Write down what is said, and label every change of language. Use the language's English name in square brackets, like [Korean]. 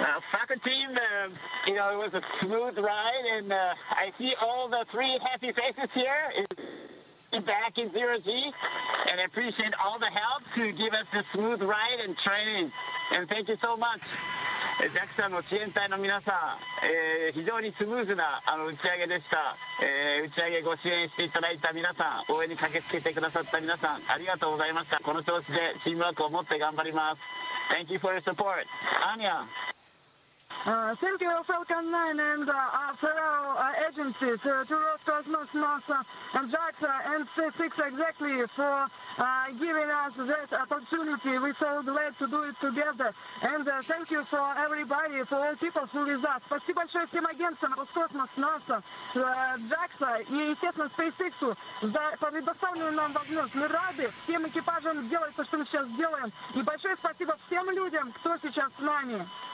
[English] Falcon team, it was a smooth ride, and I see all the three happy faces here back in zero-G, and I appreciate all the help to give us this smooth ride and training, and thank you so much. [Japanese] JAXA の支援隊の皆さん、非常にスムーズな打ち上げでした。打ち上げご支援していただいた皆さん、応援に駆けつけてくださった皆さん、ありがとうございました。この調子でチームワークを持って頑張ります。 [English] Thank you for your support. Anya. Thank you, Falcon 9 and several agencies, Cosmos, NASA, and JAXA, and SpaceX exactly for giving us this opportunity. We're so glad to do it together. And thank you for everybody, for all people who are with us. [Russian] Спасибо большое всем агентствам, Роскосмос, НАСА, JAXA и, естественно, SpaceX за предоставленную нам возможность. Мы рады всем экипажам делать то, что мы сейчас делаем. И большое спасибо всем людям, кто сейчас с нами.